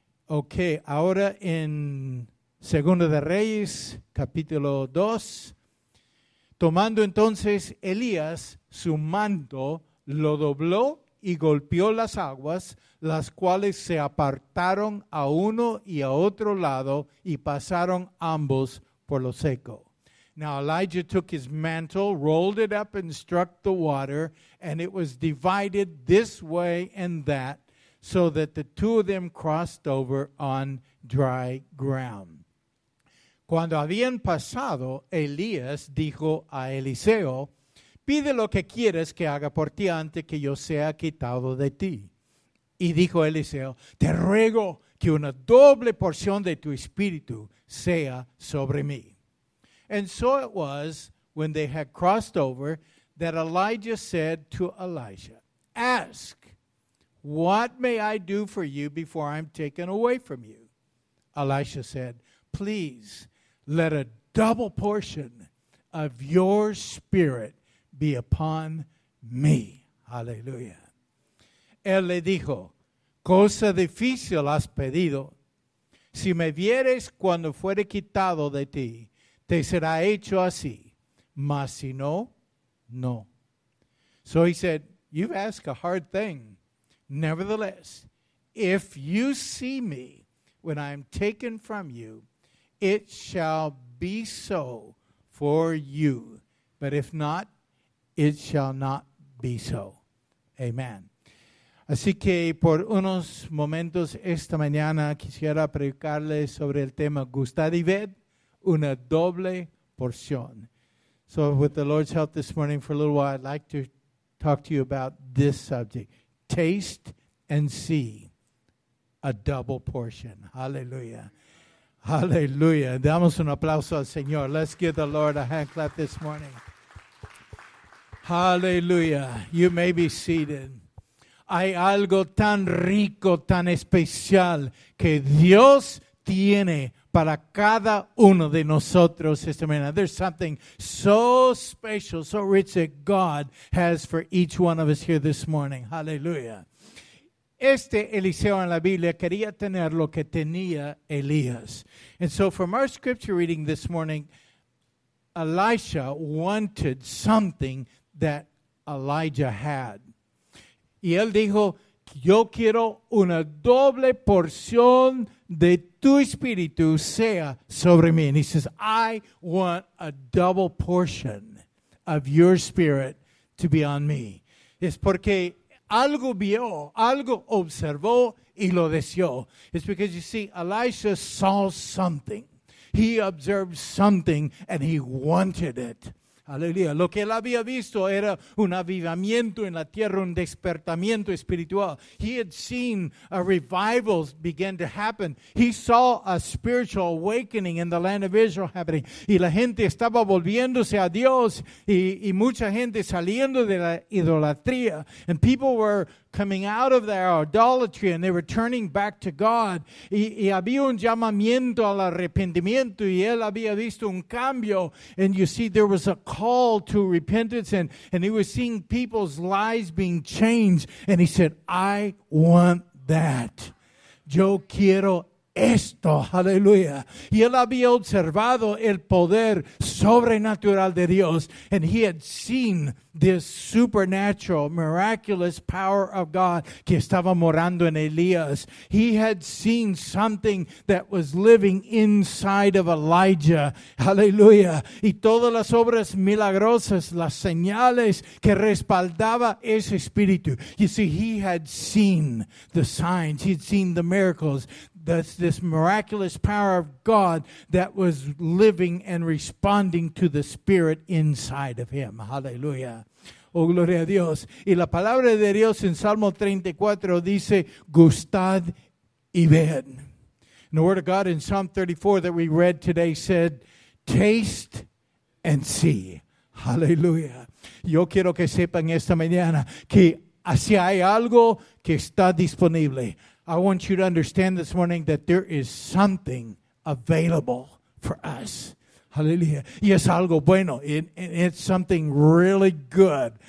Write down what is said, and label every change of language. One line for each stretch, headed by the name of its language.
Spanish: Okay, ahora en Segunda de Reyes, capítulo 2. Tomando entonces Elías su manto, lo dobló y golpeó las aguas, las cuales se apartaron a uno y a otro lado y pasaron ambos por lo seco.
English: Now Elijah took his mantle, rolled it up and struck the water, and it was divided this way and that, so that the two of them crossed over on dry ground.
Spanish: Cuando habían pasado, Elías dijo a Eliseo, pide lo que quieres que haga por ti antes que yo sea quitado de ti. Y dijo Eliseo, te ruego que una doble porción de tu espíritu sea sobre mí.
English: And so it was, when they had crossed over, that Elijah said to Elisha, ask, what may I do for you before I'm taken away from you? Elisha said, please, let a double portion of your spirit be upon me. Hallelujah.
Spanish: Él le dijo, cosa difícil has pedido. Si me vieres cuando fuere quitado de ti, te será hecho así. Mas si no, no.
English: So he said, you've asked a hard thing. Nevertheless, if you see me when I am taken from you, it shall be so for you. But if not, it shall not be so. Amen.
Spanish: Así que por unos momentos esta mañana quisiera predicarles sobre el tema gustad y ved, una doble porción.
English: So with the Lord's help this morning for a little while, I'd like to talk to you about this subject. Taste and see a double portion. Hallelujah. Hallelujah.
Spanish: Damos un aplauso al Señor.
English: Let's give the Lord a hand clap this morning. Hallelujah. You may be seated.
Spanish: Hay algo tan rico, tan especial que Dios tiene para cada uno de nosotros esta mañana.
English: There's something so special, so rich that God has for each one of us here this morning. Hallelujah.
Spanish: Este Eliseo en la Biblia quería tener lo que tenía Elías.
English: And so from our scripture reading this morning, Elisha wanted something that Elijah had.
Spanish: Y él dijo, yo quiero una doble porción de tu espíritu sea sobre mí.
English: And he says, I want a double portion of your spirit to be on me.
Spanish: Es porque algo vio, algo observó y lo deseó.
English: It's because, you see, Elisha saw something. He observed something and he wanted it.
Spanish: Aleluya. Lo que él había visto era un avivamiento en la tierra, un despertamiento espiritual.
English: He had seen a revival begin to happen. He saw a spiritual awakening in the land of Israel happening.
Spanish: Y la gente estaba volviéndose a Dios y mucha gente saliendo de la idolatría.
English: And people were coming out of their idolatry and they were turning back to God.
Spanish: Y había un llamamiento al arrepentimiento y él había visto un cambio.
English: And you see, there was a call to repentance and he was seeing people's lives being changed. And he said, I want that.
Spanish: Yo quiero esto.
English: Hallelujah.
Spanish: Y él había observado el poder sobrenatural de Dios.
English: And he had seen this supernatural, miraculous power of God
Spanish: que estaba morando en Elías.
English: He had seen something that was living inside of Elijah. Hallelujah.
Spanish: Y todas las obras milagrosas, las señales que respaldaba ese espíritu.
English: You see, he had seen the signs. He had seen the miracles. That's this miraculous power of God that was living and responding to the spirit inside of him. Hallelujah.
Spanish: Oh, gloria a Dios. Y la palabra de Dios en Salmo 34 dice, gustad y ved.
English: And the word of God in Psalm 34 that we read today said, taste and see. Hallelujah.
Spanish: Yo quiero que sepan esta mañana que así hay algo que está disponible.
English: I want you to understand this morning that there is something available for us. Hallelujah.
Spanish: Y es algo bueno.
English: It's something really good.